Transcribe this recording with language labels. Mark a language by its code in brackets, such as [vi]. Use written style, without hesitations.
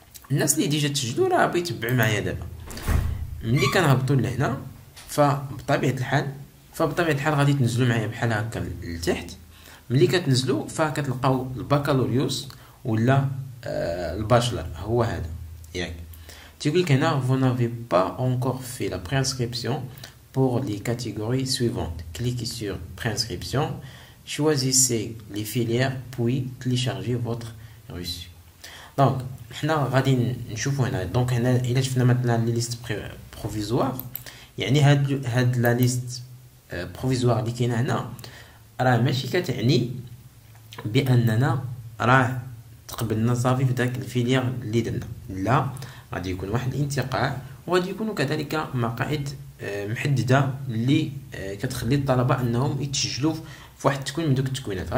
[ar] الناس اللي ديجا تسجلوا راه بيتبعوا معايا دابا ملي كنهبطوا لهنا، فبطبيعة الحال غادي تنزلوا معايا بحال هكا لتحت. ملي كتنزلوا فكتلقاو البكالوريوس ولا الباشلر، هو هذا ياك. تيقول لك هنا [fr] vous n'avez pas encore fait la préinscription pour les catégories suivantes. Cliquez sur préinscription, choisissez les filières, puis téléchargez votre reçu. [ar] Donc, حنا غادي نشوفوا هنا. دونك هنا الا شفنا مثلا لي ليست بروفيزوار، يعني هاد لا ليست بروفيزوار اللي كاينه هنا راه ماشي كتعني باننا راه تقبلنا صافي في داك الفيليير اللي درنا، لا، غادي يكون واحد الانتقاء، وغادي يكونوا كذلك مقاعد محدده اللي كتخلي الطلبه انهم يتسجلوا في واحد التكوين من دوك التكوينات.